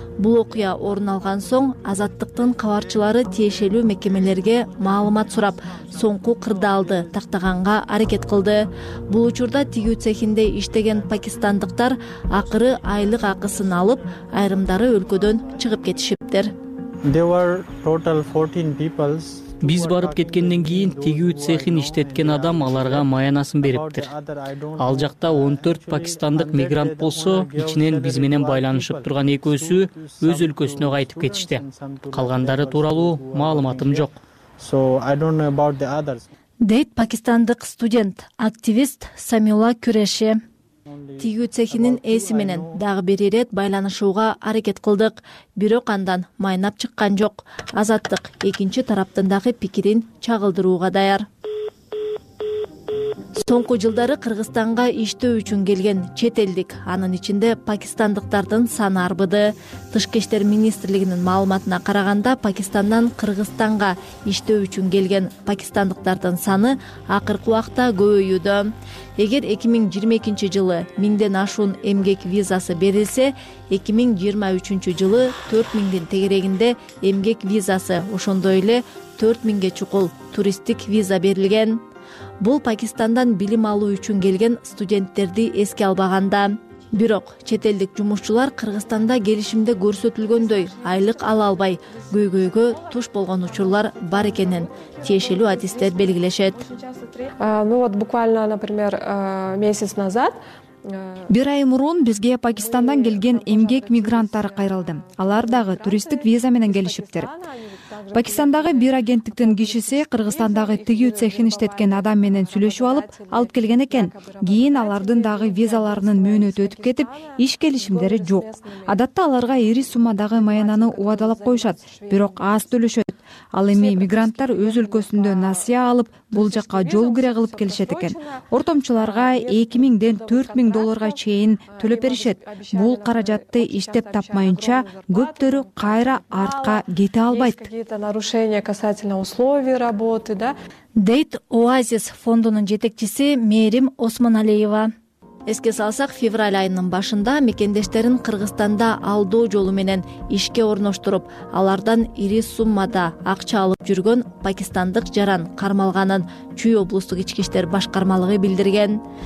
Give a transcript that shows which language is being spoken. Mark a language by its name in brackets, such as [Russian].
[Kyrgyz] Бул окуя орун алган соң, азаттыктын кабарчылары тиешелүү мекемелерге маалымат сурап, соңку кырдаалды тактаганга аракет кылды. Бул учурда тигүү цехинде иштеген пакистандыктар акыры айлык акысын алып, айрымдары өлкөдөн чыгып кетишиптир. [English] There were total 14 people. [Kyrgyz] Биз барып кеткенден кийин тигүү цехин иштеткен адам аларга маянасын бериптир. Ал жакта 14 пакистандык мигрант болсо, ичинен биз менен байланышып турган экөөсү өз өлкөсүнө кайтып кетишти. Калгандары тууралуу маалыматым жок. [English] So I don't know about the others. [Kyrgyz] Дейт пакистандык студент, активист Самилла Күрэши. Тигүү цехинин ээси менен дагы бир ирет байланышууга аракет кылдык, бирок андан майнап чыккан жок. Азаттык экинчи тараптын дагы пикирин чагылдырууга даяр. Соңку жылдары Кыргызстанга иштөө үчүн келген чет элдик, анын ичинде пакистандыктардын саны арбыды. Тышкы иштер министрлигинин маалыматына караганда, Пакистандан Кыргызстанга иштөө үчүн келген пакистандыктардын саны акыркы убакта көбөйүүдө. Эгер 2022 жылы 1000 ашуун эмгек визасы берилсе, 2023 жылы 4000 тегерегинде эмгек визасы, ошондой эле 4000 чукул туристтик виза берилген. Бул Пакистандан билим алуу үчүн келген студенттерди эске албаганда. Бирок чет элдик жумушчулар Кыргызстанда келишимде көрсөтүлгөндөй айлык ала албай көйгөйгө туш болгон учурлар бар экенин тиешелүү адистер белгилешет. [Russian] Ну вот буквально, например, месяц назад [Kyrgyz] бир ай мурун бизге Пакистандан келген эмгек мигранттары кайрылды. Алар дагы туристтик виза менен келишиптир. Пакистандагы бир агенттиктин кишиси Кыргызстандагы тигүү цехин иштеткен адам менен сүйлөшүп алып, алып келген экен. Кийин алардын дагы визаларынын мөөнөтү өтүп кетип, иш келишимдери жок. Адатта аларга ири суммадагы маянаны убадалап коюшат, бирок аз төлөшөт. Ал эми мигранттар өз өлкөсүндө насыя алып, бул жакка жол кире кылып келишет экен. Ортомчуларга 2000 $4000 чейин төлөп беришет. Бул каражатты иштеп тапмайынча көптөрү кайра артка кете албайт. [Russian] Это нарушение касательно условий работы, да? [Kyrgyz] Дейт Оазис фондунун жетекчиси Мээрим Осмоналиева. Эске салсак, февраль айынын башында мекендештерин Кыргызстанда алдоо жолу менен ишке орноштуруп, алардан ири суммада акча алып жүргөн пакистандык жаран кармалганын Чүй облустук ички иштер башкармалыгы билдирген.